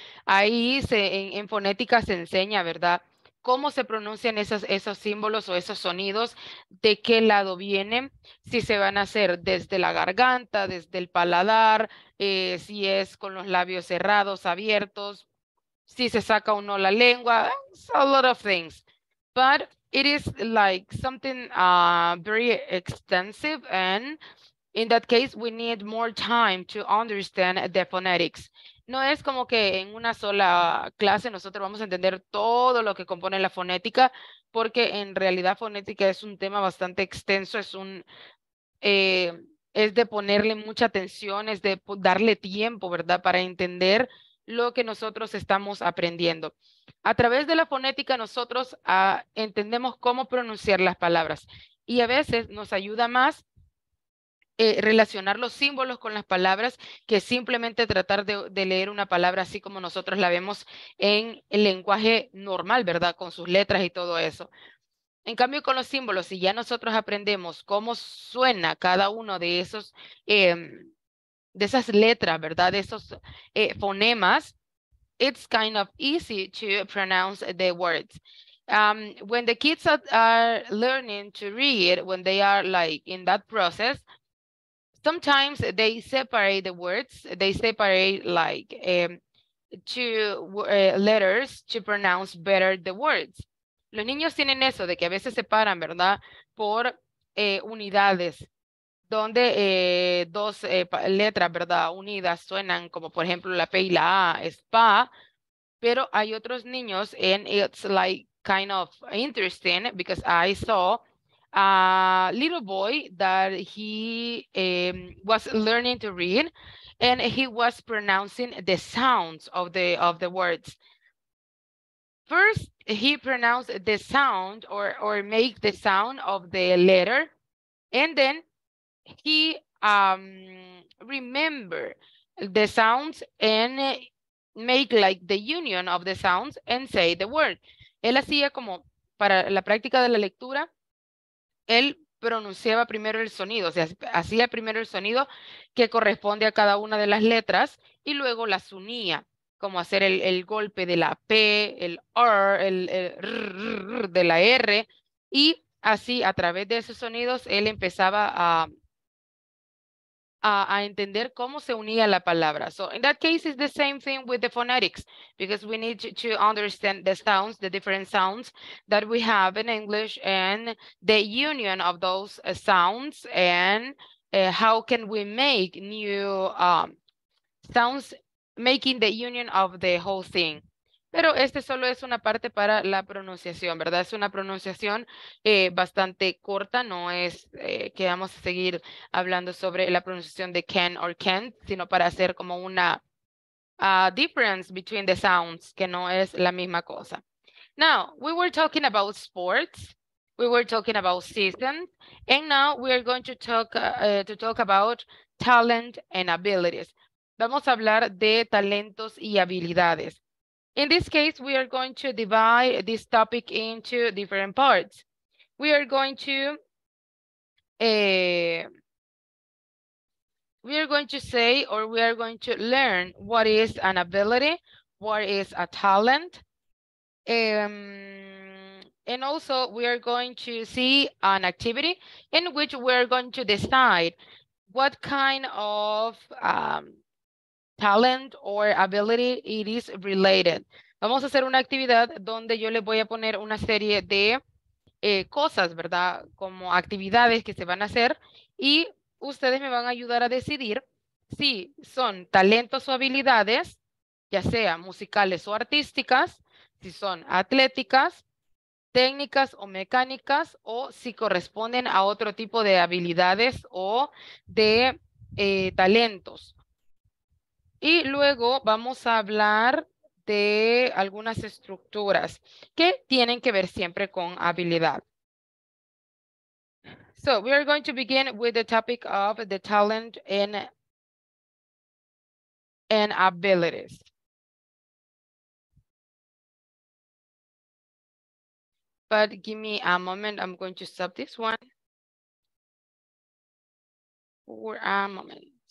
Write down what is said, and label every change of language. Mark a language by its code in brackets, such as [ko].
[es] Ahí en fonética se enseña, ¿verdad? Cómo se pronuncian esos símbolos o esos sonidos, de qué lado vienen, si se van a hacer desde la garganta, desde el paladar, si es con los labios cerrados, abiertos, si se saca o no la lengua, [en] it's a lot of things. But it is like something very extensive and in that case we need more time to understand the phonetics. [es] No es como que en una sola clase nosotros vamos a entender todo lo que compone la fonética, porque en realidad fonética es un tema bastante extenso, es de ponerle mucha atención, es de darle tiempo, ¿verdad? Para entender lo que nosotros estamos aprendiendo. A través de la fonética nosotros entendemos cómo pronunciar las palabras y a veces nos ayuda más relacionar los símbolos con las palabras que simplemente tratar de leer una palabra así como nosotros la vemos en el lenguaje normal, ¿verdad? Con sus letras y todo eso. En cambio, con los símbolos, si ya nosotros aprendemos cómo suena cada uno de esos, de esas letras, ¿verdad? De esos fonemas, [en] it's kind of easy to pronounce the words. When the kids are learning to read, when they are like in that process, sometimes they separate the words. They separate like two letters to pronounce better the words. [es] Los niños tienen eso de que a veces separan, ¿verdad? Por unidades, donde dos letras, ¿verdad? Unidas suenan como, por ejemplo, la P y la A, spa. Pero hay otros niños, [en] and it's like kind of interesting because I saw a little boy that he was learning to read and he was pronouncing the sounds of the words. First, he pronounced the sound or make the sound of the letter, and then he remember the sounds and make like the union of the sounds and say the word. [es] Él hacía como para la práctica de la lectura, él pronunciaba primero el sonido, o sea, hacía primero el sonido que corresponde a cada una de las letras y luego las unía, como hacer el golpe de la P, el R, el R de la R, y así a través de esos sonidos él empezaba a entender cómo se unía la palabra. [en] So in that case, it's the same thing with the phonetics, because we need to understand the sounds, the different sounds that we have in English and the union of those sounds and how can we make new sounds, making the union of the whole thing. [es] Pero este solo es una parte para la pronunciación, ¿verdad? Es una pronunciación bastante corta, no es que vamos a seguir hablando sobre la pronunciación de [en] can or can't, [es] sino para hacer como una [en] difference between the sounds, [es] que no es la misma cosa. [en] Now, we were talking about sports, we were talking about seasons, and now we are going to talk about talent and abilities. [es] Vamos a hablar de talentos y habilidades. [en] In this case, we are going to divide this topic into different parts. We are going to say, or we are going to learn what is an ability, what is a talent, and also we are going to see an activity in which we are going to decide what kind of talent or ability it is related. [es] Vamos a hacer una actividad donde yo les voy a poner una serie de cosas, ¿verdad? Como actividades que se van a hacer y ustedes me van a ayudar a decidir si son talentos o habilidades, ya sea musicales o artísticas, si son atléticas, técnicas o mecánicas, o si corresponden a otro tipo de habilidades o de talentos. Y luego vamos a hablar de algunas estructuras que tienen que ver siempre con habilidad. [en] So we are going to begin with the topic of the talent and abilities. But give me a moment, I'm going to stop this one for a moment.